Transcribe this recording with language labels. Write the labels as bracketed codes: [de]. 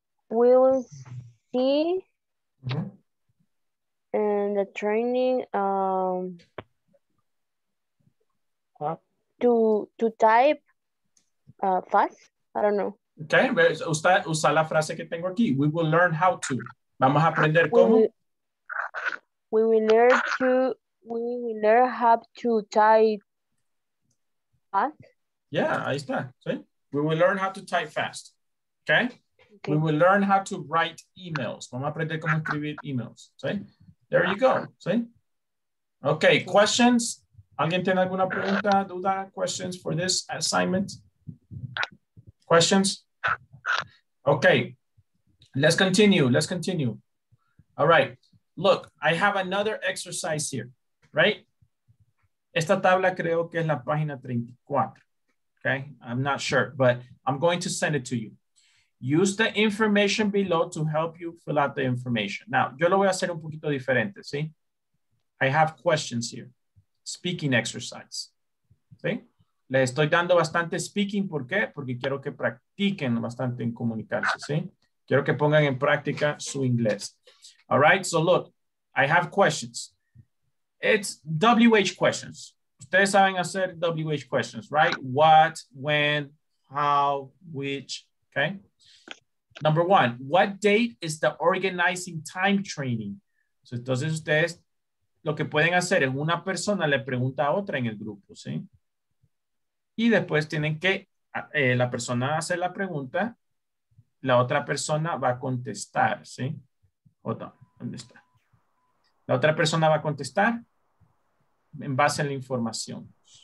[en] We'll see in the training to type fast. I don't know. [es] Okay, usted usa la frase que tengo aquí. [en] We will learn how to. [es] Vamos a aprender cómo. [en] We will learn how to type fast. Yeah, [es] ahí está. [en] ¿Sí? We will learn how to type fast. Okay? We will learn how to write emails. [es] Vamos a aprender cómo escribir emails. [en] ¿Sí? There you go. ¿Sí? Okay, questions. [es] ¿Alguien tiene alguna pregunta, duda, [en] questions for this assignment? Questions? Okay, let's continue. All right, look, I have another exercise here, right? [es] Esta tabla creo que es la página 34, okay? [en] I'm not sure, but I'm going to send it to you. Use the information below to help you fill out the information. [es] Now, yo lo voy a hacer un poquito diferente, ¿sí? [en] I have questions here, speaking exercise, [es] ¿sí? Le estoy dando bastante speaking, ¿por qué? Porque quiero que practiquen bastante en comunicarse, ¿sí? Quiero que pongan en práctica su inglés. [en] All right, so look, I have questions. It's WH questions. [es] Ustedes saben hacer [en] WH questions, right? What, when, how, which, okay? Number one, what date is the organizing time training? [es] So, entonces ustedes lo que pueden hacer es una persona le pregunta a otra en el grupo, ¿sí? Y después tienen que, la persona hace la pregunta, la otra persona va a contestar, ¿sí? [en] Hold on, [es] ¿dónde está? La otra persona va a contestar en base a la información.